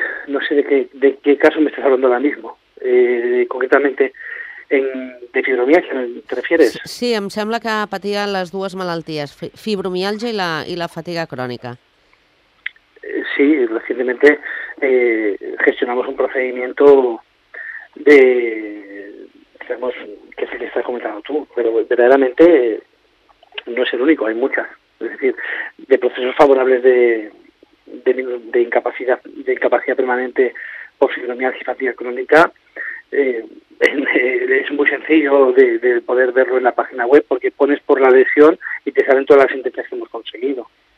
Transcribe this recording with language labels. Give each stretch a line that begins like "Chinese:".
Spanish: No sé de qué caso me estás hablando ahora mismo. Concretamente, ¿de fibromialgia te refieres?
Catalan: Sí, em sembla que patia les dues malalties, fibromialgia i la fatiga crònica.
Spanish: Sí, recientemente gestionamos un procedimiento de... Digamos, que es el que estás comentando tú, pero verdaderamente no es el único, hay muchas. Es decir, de procesos favorables de incapacidad permanente por fibromialgia y fatiga crónica, es muy sencillo de poder verlo en la página web, porque pones por la lesión y te salen todas las sentencias que hemos conseguido.